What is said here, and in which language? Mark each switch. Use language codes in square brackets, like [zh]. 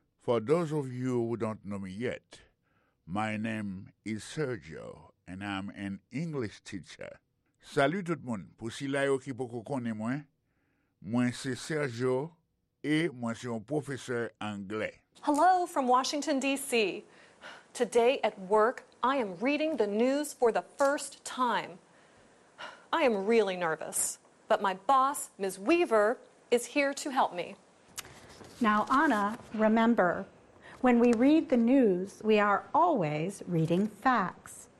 [en] For those of you who don't know me yet, my name is Sergio. And I'm an English teacher. [ht] Salut tout moun. Pour si la yo ki poko konne mwen, mwen se Sergio et mwen se un professeur anglais. [en] Hello from Washington, D.C. Today at work, I am reading the news for the first time. I am really nervous, but my boss, Ms. Weaver, is here to help me. Now, Anna, remember, when we read the news, we are always reading facts.